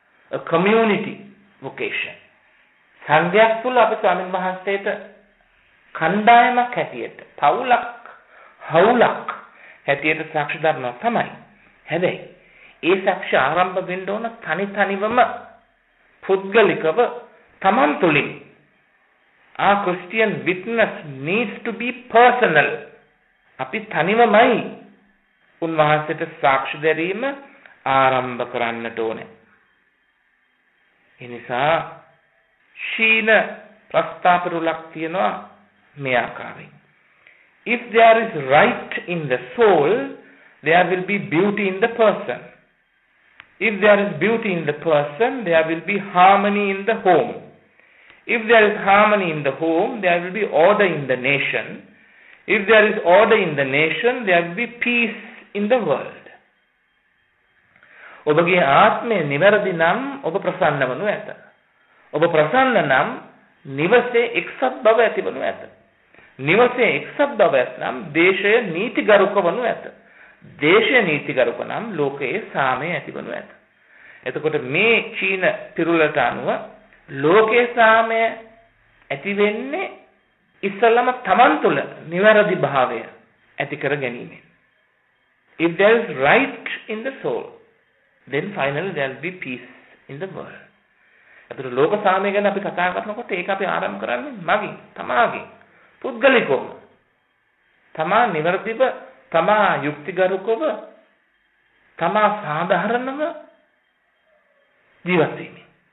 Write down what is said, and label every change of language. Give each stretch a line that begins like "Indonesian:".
English: A community vocation.
Sinhala: සංඝයාක් තුල අපි ස්වාමින් වහන්සේට කණ්ඩායමක් හැටියට, පවුලක්, හවුලක් හැටියට සාක්ෂි දරනවා තමයි. හැබැයි ඒ සාක්ෂි ආරම්භ වෙන්න ඕන තනි තනිවම පුද්ගලිකව තමන් තුළින්.
English: Ah, Christian witness needs to be personal.
Sinhala: අපි තනිවමයි උන්වහන්සේට සාක්ෂි දෙරීම ආරම්භ කරන්නට ඕනේ. එනිසා ශීන ප්‍රස්ථාපරුලක් තියෙනවා මේ ආකාරයෙන්.
English: If there is right in the soul, there will be beauty in the person. If there is beauty in the person, there will be harmony in the home. If there is harmony in the home, there will be order in the nation. If there is order in the nation, there will be peace in the world.
Sinhala: ඔබගේ ආත්මය නිවැරදි නම් ඔබ ප්‍රසන්න වනු ඇත. ඔබ ප්‍රසන්න නම් නිවසේ එක්සත් බව ඇතිවනු ඇත. නිවසේ එක්සත් බව ඇතනම් දේශය නීතිගරුක වනු ඇත. දේශය නීතිගරුක නම් ලෝකයේ සාමය ඇතිවනු ඇත. එතකොට මේ චීන පිරුලට අනුව ලෝකයේ සාමය ඇති වෙන්නේ ඉස්සල්ලාම තමන් තුළ නිවැරදි භාවය ඇති කර ගැනීමෙන්.
English: If there is right in the soul, then finally there will be peace in the world.
Sinhala: අපිට ලෝක සාමය ගැන අපි කතා කරනකොට ඒක අපි ආරම්භ කරන්නේ මගින්, තමාගෙන්, පුද්ගලිකව. තමා නිවැරදිව, තමා යුක්තිගරුකව, තමා සාධාරණව ජීවත් වෙන්නේ.